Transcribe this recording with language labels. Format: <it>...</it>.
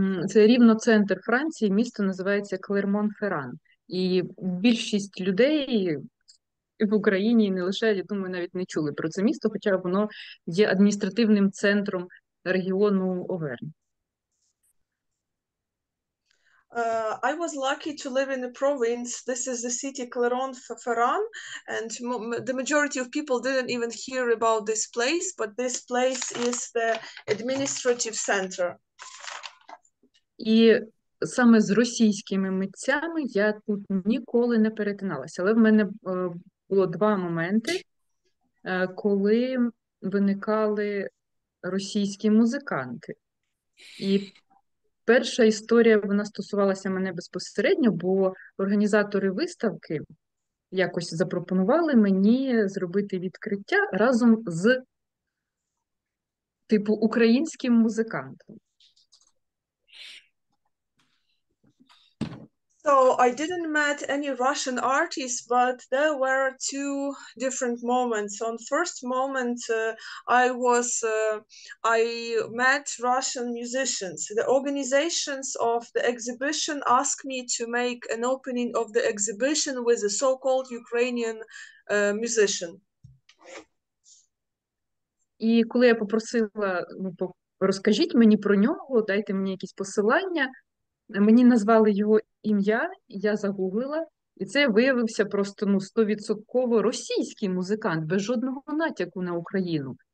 <uk>Це рівно центр Франції, місто називається Клермон-Феран. І більшість людей в Україні, не лише, я думаю, навіть не чули про це місто, хоча воно є адміністративним центром регіону Овернь.</uk> <en>I was lucky to live in the province. This is the city Clermont-Ferrand, and the majority of people didn't even hear about this place, but this place is the administrative center.</en> <uk>І саме з російськими митцями я тут ніколи не перетиналася. Але в мене було два моменти, коли виникали російські музиканти. І перша історія, вона стосувалася мене безпосередньо, бо організатори виставки якось запропонували мені зробити відкриття разом з, типу, українським музикантом.</uk> <en>So I didn't meet any Russian artists, but there were two different moments. On first moment, I met Russian musicians. The organizations of the exhibition asked me to make an opening of the exhibition with a so-called Ukrainian musician.</en> <uk>І коли я попросила, розкажіть мені про нього, дайте мені якісь посилання. Мені назвали його ім'я, я загуглила, і це виявився просто, ну, 100% російський музикант, без жодного натяку на Україну.</uk>